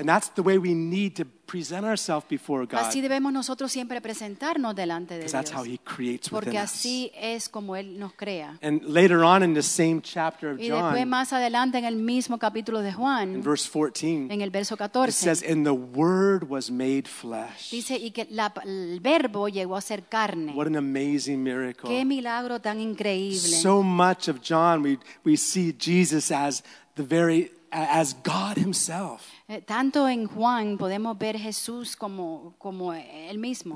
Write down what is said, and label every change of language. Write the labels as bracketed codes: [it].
[en] And that's the way we need to present ourselves before God. [es] Así debemos nosotros siempre presentarnos delante de Dios. [en] Because that's how he creates within us. [es] Porque así es como él nos crea. [en] And later on in the same chapter of John. [es] Y después más adelante en el mismo capítulo de Juan. [en] In verse 14. [es] En el verso 14. [en] It says, and the word was made flesh. [es] Dice, y que el verbo llegó a ser carne. [en] What an amazing miracle. [es] Qué milagro tan increíble. [en] So much of John, we see Jesus as the very, as God himself. [es] Tanto en Juan podemos ver Jesús como él mismo.